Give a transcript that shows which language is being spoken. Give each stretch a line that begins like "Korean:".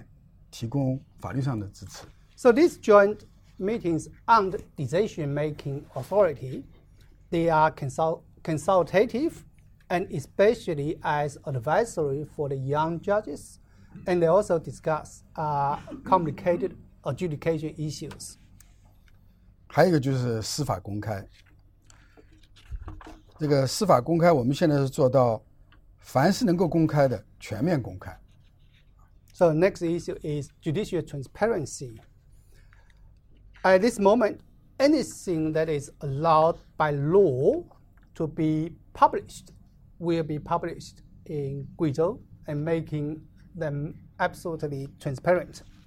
Chinese: 这个法官的这个联席会议，它不是决策性的，然后它是一个咨询性的，为年轻的法官或者复杂的案件提供法律上的支持。
English: So these joint meetings aren't decision-making authority; they are consultative. And especially as advisory for the young judges, and they also discuss complicated adjudication issues.
Chinese: 还有一个就是司法公开。这个司法公开，我们现在是做到凡是能够公开的全面公开。
English: So next issue is judicial transparency. At this moment, anything that is allowed by law to be published will be published in Guizhou and making them absolutely transparent.